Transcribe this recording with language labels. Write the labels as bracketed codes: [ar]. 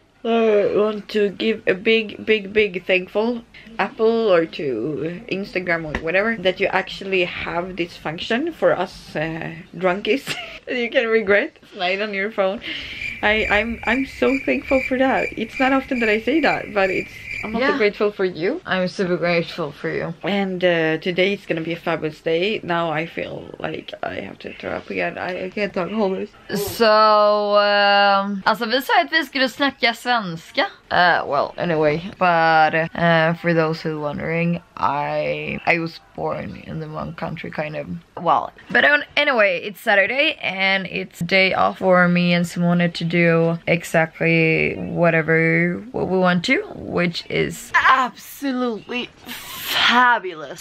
[en] I want to give a big thankful Apple or to Instagram or whatever that you actually have this function for us drunkies that you can regret slide on your phone. I'm so thankful for that. It's not often that I say that, but I'm also grateful for you. I'm super grateful for you. And today is gonna be a fabulous day. Now I feel like I have to throw up again. I can't talk all this. [sv] So, alltså vi sa att vi skulle snacka svenska. [en] Well, anyway, but for those who are wondering, I was born in the wrong country, kind of. Well, but anyway, it's Saturday and it's day off for me and Simone to do exactly whatever what we want to, which is absolutely fabulous.